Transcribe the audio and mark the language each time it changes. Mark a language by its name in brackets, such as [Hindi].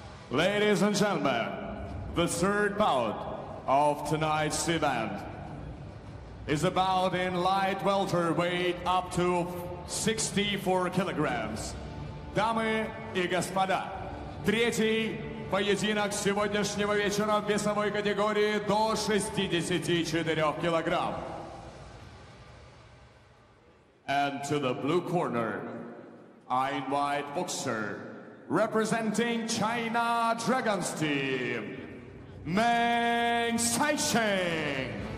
[English] Ladies and gentlemen, the third bout of tonight's event is a bout in light welterweight up to 64 kilograms. [Russian] Дамы и господа, третий поединок сегодняшнего вечера в весовой категории до 64 килограмм. [English] And to the blue corner, I invite boxer representing China Dragons team, Meng Saicheng.